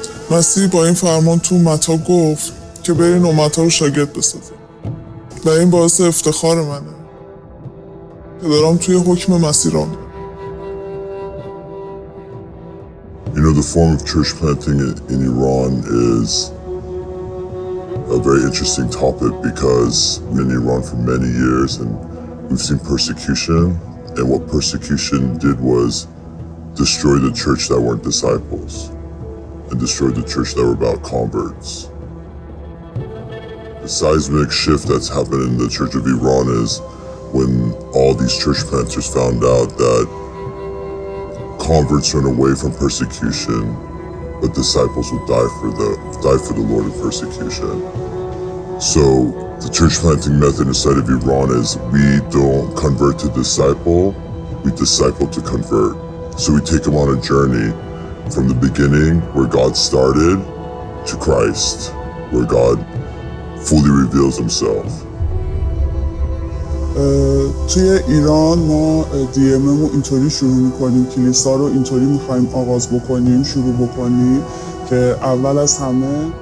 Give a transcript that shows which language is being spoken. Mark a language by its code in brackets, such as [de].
[fa] مسیح با این فرمان تو متا گفت که برین و متا رو شاگرد بسازید و این باعث افتخار منه که دارم توی حکم مسیح رو میرم. [en] You know, the form of church planting in Iran is a very interesting topic because in Iran for many years and we've seen persecution, and what persecution did was destroy the church that weren't disciples and destroyed the church that were about converts. The seismic shift that's happened in the Church of Iran is when all these church planters found out that converts run away from persecution, but disciples will die for the Lord of persecution. So the church planting method inside of Iran is we don't convert to disciple, we disciple to convert. So we take them on a journey from the beginning, where God started, to Christ, where God fully reveals himself. [fa] توی ایران ما دیممو اینطوری شروع میکنیم، کلیسا رو اینطوری میخواییم آغاز بکنیم، شروع بکنیم که اول از همه